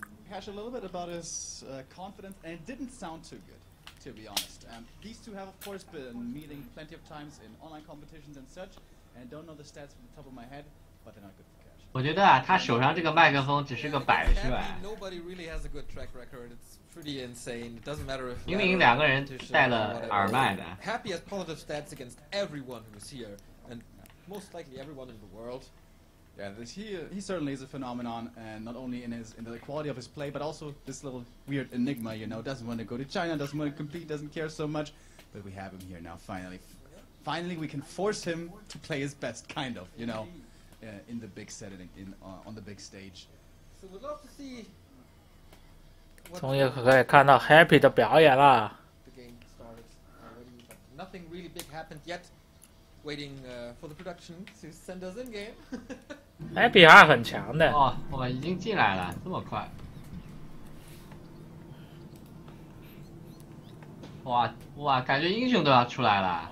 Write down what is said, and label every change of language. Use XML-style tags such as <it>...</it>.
<en>Cash a little bit about his confidence, and it didn't sound too good. To be honest, these two have of course been meeting plenty of times in online competitions and such, and don't know the stats from the top of my head, but they're not good for Cash.</en> <zh>我觉得啊，他手上这个麦克风只是个摆设啊。</zh> <en>Nobody really has a good track record. It's pretty insane. It doesn't matter if.</en> <zh>明明两个人带了耳麦的。</zh> <en>Happy has positive stats against everyone who's here, and most likely everyone in the world. Yeah, this he certainly is a phenomenon, and not only in the quality of his play, but also this little weird enigma, you know, doesn't want to go to China, doesn't want to compete, doesn't care so much, but we have him here now, finally. Finally, we can force him to play his best, kind of, you know, in the big setting, on the big stage. So we'd love to see...</en> <zh>终于可以看到 Happy 的表演了。</zh> <en>The game started already, but nothing really big happened yet. Waiting for the production to send us in game.</en> <zh>Happy 还很强的。哦，我们已经进来了，这么快。哇哇，感觉英雄都要出来了。</zh>